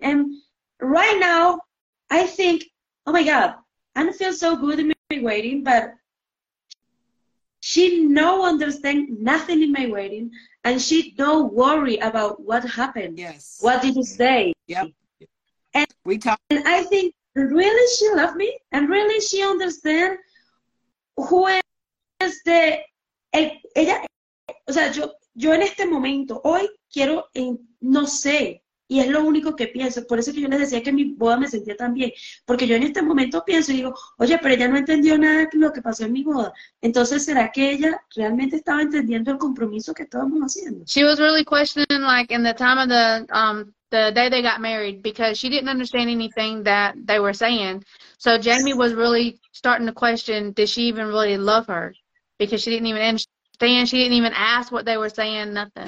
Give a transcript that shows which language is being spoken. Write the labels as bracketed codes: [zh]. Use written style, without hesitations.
[en] And right now, I think, oh my God, I don't feel so good in my wedding, but she no understand nothing in my wedding, and she don't worry about what happened. Yes. What did you say? Yep. And we talk. And I think really she loved me, and really she understand who is the ella. [es] O sea, yo en este momento hoy quiero no sé. Y es lo único que pienso. Por eso que yo les decía que mi boda me sentía tan bien. Porque yo en este momento pienso y digo, oye, pero ella no entendió nada de lo que pasó en mi boda. Entonces, ¿será que ella realmente estaba entendiendo el compromiso que estábamos haciendo? [en] She was really questioning, like, in the time of the day they got married, because she didn't understand anything that they were saying. So Jamie was really starting to question, did she even really love her? Because she didn't even understand. She didn't even ask what they were saying, nothing.